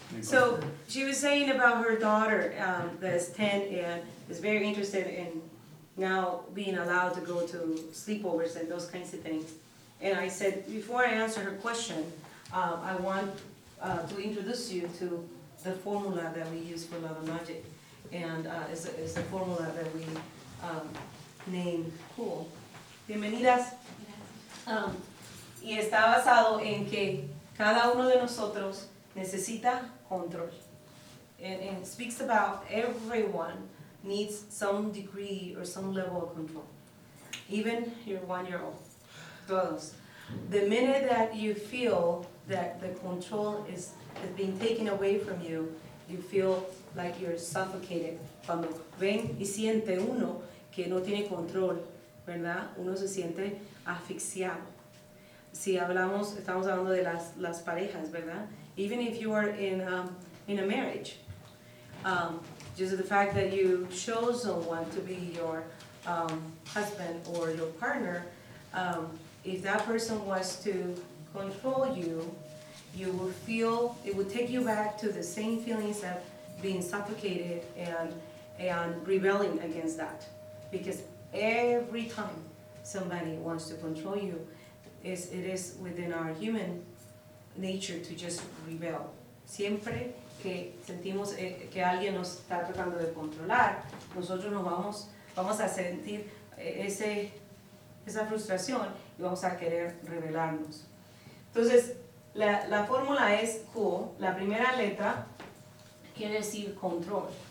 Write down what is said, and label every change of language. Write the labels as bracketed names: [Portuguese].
[English] So, she was saying about her daughter that is 10 and is very interested in now being allowed to go to sleepovers and those kinds of things. And I said, before I answer her question, I want to introduce you to the formula that we use for love and magic. And it's a formula that we name cool. [Spanish] Bienvenidas. Y está basado en que cada uno de nosotros necesita control. [English] And it speaks about everyone needs some degree or some level of control. Even your one-year-old. Todos. The minute that you feel that the control is being taken away from you, you feel like you're suffocated. [Spanish] Cuando ven y siente uno que no tiene control, ¿verdad? Uno se siente asfixiado. Si hablamos, estamos hablando de las parejas, ¿verdad? [English] Even if you are in a marriage, just the fact that you chose someone to be your husband or your partner, if that person was to control you, you would feel, it would take you back to the same feelings that being suffocated and rebelling against that. Because every time somebody wants to control you, it is within our human nature to just rebel. [Spanish] Siempre que sentimos que alguien nos está tratando de controlar, nosotros nos vamos a sentir esa frustración y vamos a querer rebelarnos. Entonces, la fórmula es cool. La primera letra quiere decir control.